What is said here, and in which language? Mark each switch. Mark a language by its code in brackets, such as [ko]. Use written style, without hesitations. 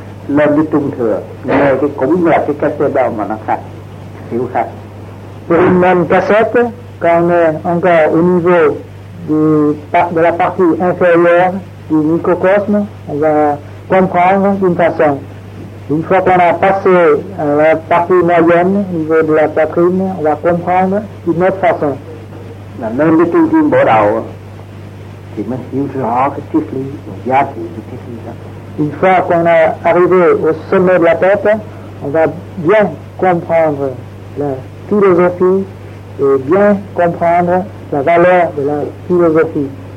[vi] Lên cái trung thừa, nghe cái cũng là cái cassette đó mà nó khác, hiểu khác. [fr] Pour une même cassette, quand on est encore au niveau de la partie inférieure du microcosme, on va comprendre d'une façon. Une fois qu'on a passé à la partie moyenne, au niveau de la poitrine, on va comprendre d'une autre façon. [vi] Lên cái trung thừa bổ đầu, thì mới hiểu rõ cái triết lý, giá trị của triết lý đó. [fr] Une fois qu'on est arrivé au sommet de la tête, on va bien comprendre la philosophie et bien comprendre la valeur de la philosophie.